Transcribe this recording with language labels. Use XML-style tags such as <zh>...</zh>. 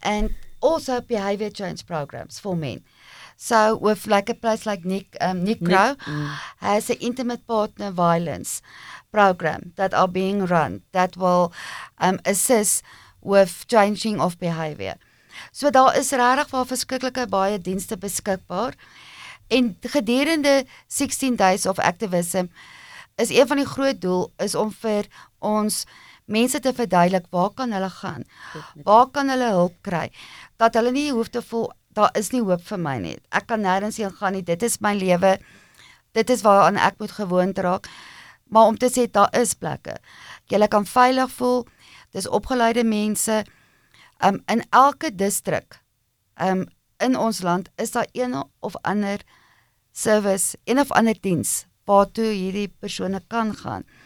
<en>And also behavior change programs for men. So with like a place like Nick Crow has an intimate partner violence program that are being run that will assist with changing of behavior.</en> <af>So daar is regtig waar verskriklike baie dienste beskikbaar. En gedurende</af> <en>16 days of activism</en> <af>is een van die groot doel is om vir ons mense te verduidelik waar kan hulle gaan? Waar kan hulle hulp kry? Dat hulle nie hoef te voel daar is nie hoop vir my nie. Ek kan nêrens heen gaan nie. Dit is my lewe. Dit is waaraan ek moet gewoond raak. Maar om te sê, daar is plekke. Jy kan veilig voel. Dis opgeleide mense. In elke distrik in ons land is daar een of ander service, een of ander diens, waartoe hierdie persone kan gaan.</af>